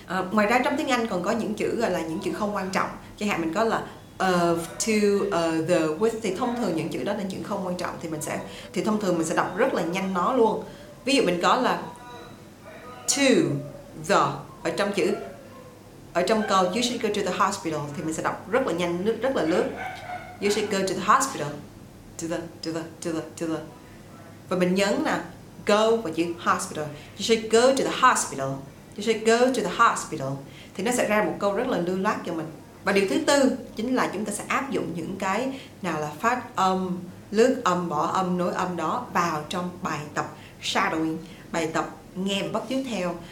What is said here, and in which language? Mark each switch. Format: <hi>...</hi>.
<vi>Ngoài ra trong tiếng Anh còn có những chữ gọi là những chữ không quan trọng. Chẳng hạn mình có là of, to, the, with thì thông thường những chữ đó là những chữ không quan trọng thì thông thường mình sẽ đọc rất là nhanh nó luôn. Ví dụ mình có là to, the ở trong chữ ở trong câu</vi> <en>you should go to the hospital</en> <vi>thì mình sẽ đọc rất là nhanh, rất là lướt.</vi> <en>You should go to the hospital. To the, to the, to the, to the.</en> <vi>Và mình nhấn là go và chữ hospital.</vi> <en>You should go to the hospital. You should go to the hospital.</en> <vi>Thì nó sẽ ra một câu rất là lưu loát cho mình. Và điều thứ tư chính là chúng ta sẽ áp dụng những cái nào là phát âm, lướt âm, bỏ âm, nối âm đó vào trong bài tập shadowing, bài tập nghe và bắt chước theo.</vi>